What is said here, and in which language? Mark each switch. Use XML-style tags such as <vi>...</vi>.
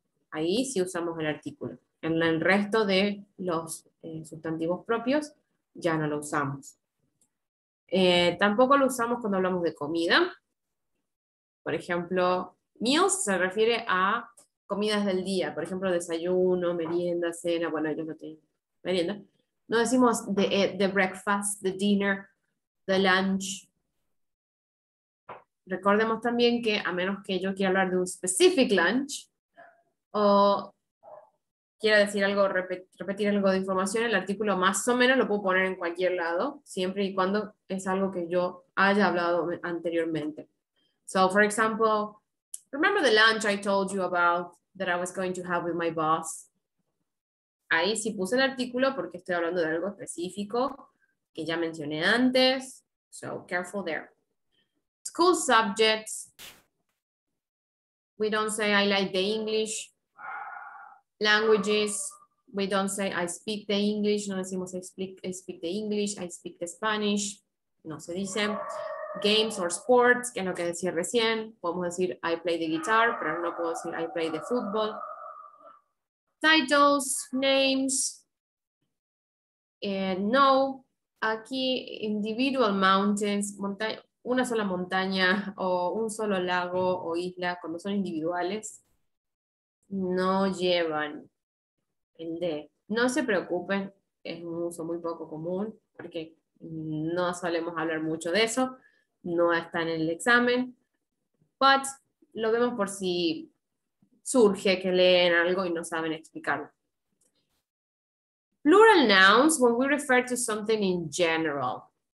<es>Ahí sí usamos el artículo. En el resto de los sustantivos propios ya no lo usamos. Tampoco lo usamos cuando hablamos de comida. Por ejemplo, meals se refiere a comidas del día. Por ejemplo, desayuno, merienda, cena. Bueno, yo no tengo merienda.</es> <en>No decimos the breakfast, the dinner, the lunch.</en> <es>Recordemos también que a menos que yo quiera hablar de un</es> <en>specific lunch</en> <es>o quiera decir algo, repetir algo de información, el artículo más o menos lo puedo poner en cualquier lado, siempre y cuando es algo que yo haya hablado anteriormente.</es> <en>So, for example, remember the lunch I told you about that I was going to have with my boss?</en> <es>Ahí sí puse el artículo porque estoy hablando de algo específico que ya mencioné antes.</es> <en>So, careful there. School subjects, we don't say I like the English. Languages, we don't say I speak the English.</en> <es>No decimos</es> <en>I speak the English, I speak the Spanish.</en> <es>No se dice.</es> <en>Games or sports,</en> <es>que es lo que decía recién. Podemos decir</es> <en>I play the guitar,</en> <es>pero no puedo decir</es> <en>I play the football. Titles, names. No,</en> <es>Aquí,</es> <en>individual mountains,</en> <es>una sola montaña o un solo lago o isla, cuando son individuales, no llevan el de. No se preocupen, es un uso muy poco común, porque no solemos hablar mucho de eso, no está en el examen, but lo vemos por si surge que leen algo y no saben explicarlo.</es> <en>Plural nouns, when we refer to something in general.</en>